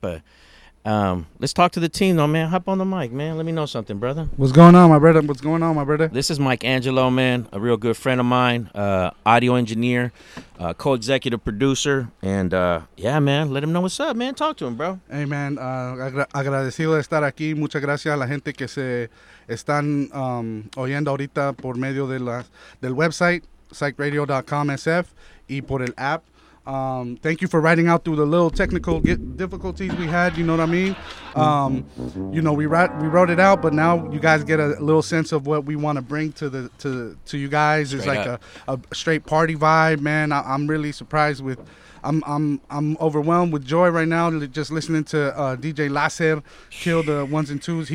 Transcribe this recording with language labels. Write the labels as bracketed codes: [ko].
[en] But let's talk to the team, though, man. Hop on the mic, man. Let me know something, brother. What's going on, my brother? What's going on, my brother? This is Mike Angelo, man, a real good friend of mine, audio engineer, co-executive producer. And, yeah, man, let him know what's up, man. Talk to him, bro. [es] Hey, man, agradecido de estar aquí. Muchas gracias a la gente que se están oyendo ahorita por medio de del website, psychradio.com/sf, y por el app. [en] Thank you for riding out through the little technical difficulties we had, you know what I mean? You know, we wrote it out, but now you guys get a little sense of what we want to bring to you guys. It's like a straight party vibe, man. I'm really surprised with, I'm overwhelmed with joy right now just listening to DJ Lazer kill the ones and twos.